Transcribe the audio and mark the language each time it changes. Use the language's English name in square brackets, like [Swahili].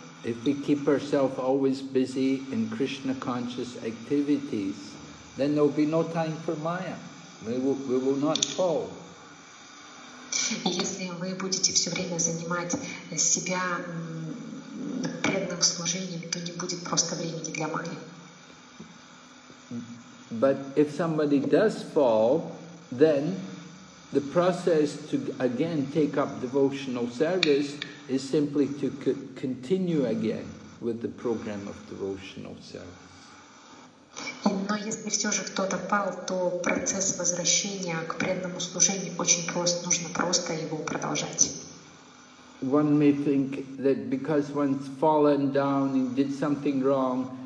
[English] If we keep ourselves always busy in Krishna conscious activities, then there will be no time for Maya. We will not fall. [Russian] Если вы будете все время занимать себя преданным служением, то не будет просто времени для Майи. [English] But if somebody does fall, then the process to again take up devotional service is simply to continue again with the program of devotional service. [Russian] Но если все же кто-то пал, то процесс возвращения к преданному служению очень прост, нужно просто его продолжать. [English] One may think that because one's fallen down and did something wrong,